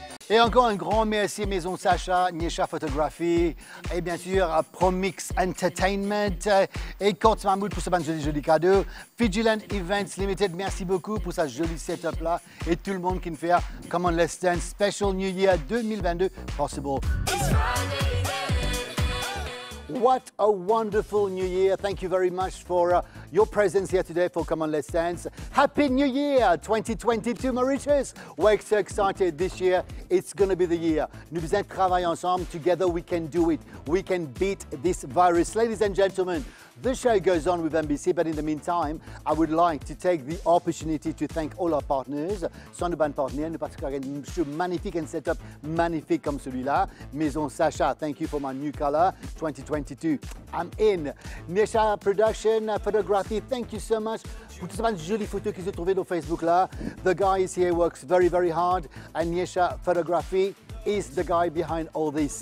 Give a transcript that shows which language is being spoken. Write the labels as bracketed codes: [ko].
[fr] Et encore un grand merci à Maison Sacha, Niesha Photography et bien sûr à Promix Entertainment et Courts Mahmoud pour ce bon joli cadeau. Fijiland Events Limited, merci beaucoup pour ce joli setup là et tout le monde qui me fait Come on Let's Dance Special New Year 2022 possible. [en] What a wonderful new year. Thank you very much for your presence here today for Come On Let's Dance. Happy New Year 2022, Mauritius. We're so excited this year. It's going to be the year. [fr] Nous devons travailler ensemble. [en] Together we can do it. We can beat this virus. Ladies and gentlemen, the show goes on with NBC, but in the meantime, I would like to take the opportunity to thank all our partners. [fr] Sonoban Partner, nous particulièrement un show magnifique and setup magnifique comme celui-là. [en] Maison Sacha, thank you for my new color 2022. I'm in. Miesha Production, Photography, thank you so much. [fr] Pour toutes ces jolies photos qu'ils ont trouvées sur Facebook là. [en] The guy is here, works very, very hard. And Miesha Photography is the guy behind all this.